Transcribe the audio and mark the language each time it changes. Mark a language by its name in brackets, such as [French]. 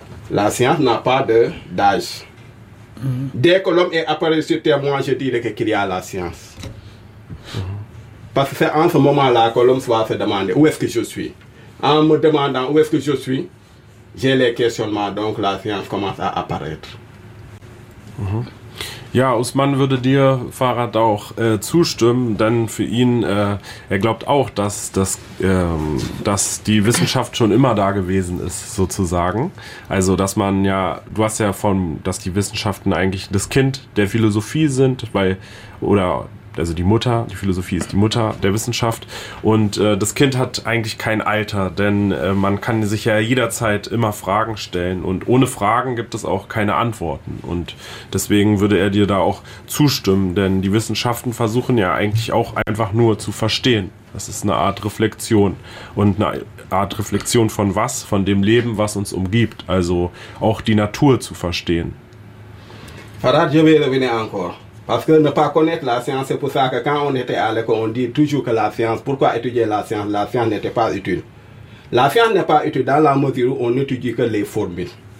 [French] La science n'a pas d'âge. Dès que l'homme est apparu sur terre, moi je dirais qu'il y a la science. Parce que c'est en ce moment-là que l'homme va se demander où est-ce que je suis. En me demandant où est-ce que je suis, j'ai les questionnements, donc la science commence à apparaître. [German] Ja, Usman würde dir, Farhat, auch zustimmen, denn für ihn, er glaubt auch, dass die Wissenschaft schon immer da gewesen ist, sozusagen. Also, dass man ja, du hast ja von, dass die Wissenschaften eigentlich das Kind der Philosophie sind, also die Mutter, die Philosophie ist die Mutter der Wissenschaft. Und das Kind hat eigentlich kein Alter, denn man kann sich ja jederzeit immer Fragen stellen. Und ohne Fragen gibt es auch keine Antworten. Und deswegen würde er dir da auch zustimmen, denn die Wissenschaften versuchen ja eigentlich auch einfach nur zu verstehen. Das ist eine Art Reflexion. Und eine Art Reflexion von was? Von dem Leben, was uns umgibt. Also auch die Natur zu verstehen. [French] Farhat, je vais revenir encore. Parce que ne pas connaître la science, c'est pour ça que quand on était à l'école, on dit toujours que la science, pourquoi étudier la science? La science n'était pas utile. La science n'est pas utile dans la mesure où on n'étudie que les formules.